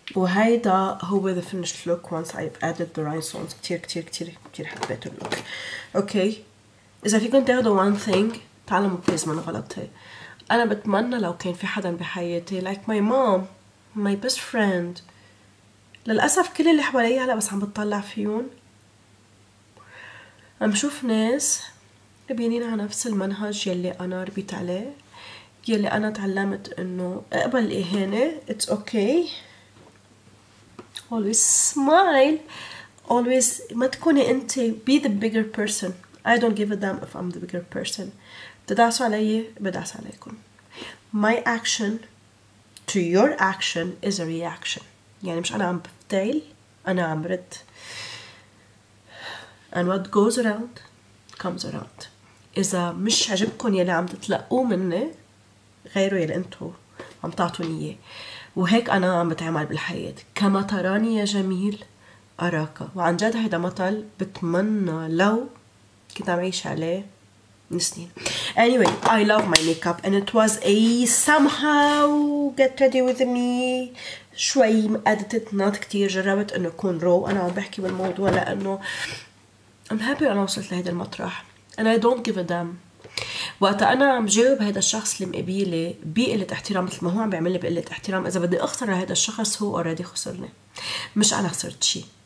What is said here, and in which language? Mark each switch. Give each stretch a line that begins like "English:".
Arabic: وهيدا هو
English: the finished look once I've added the rhinestones.
Arabic: كتير كتير كتير كتير حبيته اللوك. اوكي إذا فيكم تاخدوا
English: one thing
Arabic: تعلموا please من غلطتي. أنا بتمنى لو كان في حدا بحياتي
English: like my mom, my best friend.
Arabic: للأسف كل اللي حواليها هلا بس عم بتطلع فيهم عم شوف ناس بينين على نفس المنهج يلي أنا ربيت عليه، يلي أنا تعلمت إنه أقبل الإهانة
English: it's okay, always smile, always
Arabic: ما تكوني أنت
English: be the bigger person. I don't give a damn if I'm the bigger person.
Arabic: تدعسوا علي بدعس عليكم.
English: My action to your action is a reaction.
Arabic: يعني مش أنا عم بفتعل أنا عم رد.
English: And what goes around comes around.
Arabic: إذا مش عجبكم يلي عم تتلقوا مني غيروا يلي أنتوا عم تعطوني إياه. وهيك أنا عم بتعامل بالحياة. كما تراني يا جميل أراك. وعن جد هيدا مطل بتمنى لو كنت عم عيش عليه نسنين.
English: Anyway, I love my makeup and it was a somehow get ready with me.
Arabic: شوي مقدتت not كتير جربت انه يكون raw. انا عم بحكي بالموضوع لانه
English: I'm happy
Arabic: انا وصلت لهيدا المطرح.
English: And I don't give a damn.
Arabic: وقت انا عم جاوب هيدا الشخص اللي مقبيلي بقلة احترام مثل ما هو عم بيعمل لي بقلة احترام. اذا بدي اخسر هيدا الشخص هو already خسرني. مش انا خسرت شيء.